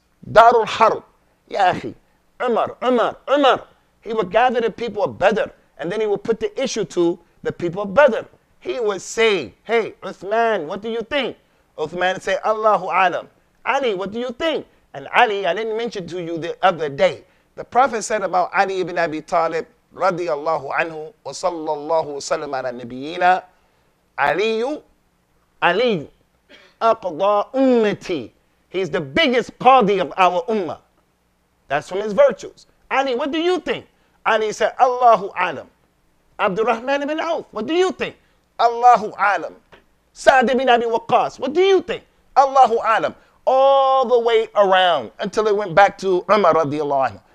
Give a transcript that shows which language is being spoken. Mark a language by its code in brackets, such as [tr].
[en] Darul Harb. Ya akhi, Umar. He would gather the people of Badr and then he would put the issue to the people of Badr. He would say, hey, Uthman, what do you think? Uthman would say, Allahu Alam. Ali, what do you think? And Ali, I didn't mention to you the other day. The Prophet said about Ali ibn Abi Talib, [ar] رضي الله عنه وصلى الله وسلم على نبينا علي أقضى أمتي. [en] He's the biggest qadi of our ummah. That's from his virtues. Ali, what do you think? Ali said, Allahu Alam. Abdurrahman ibn Auf, what do you think? Allahu Alam. Sa'd ibn Abi Waqqas, what do you think? Allahu Alam. All the way around until it went back to Umar رضي الله عنه.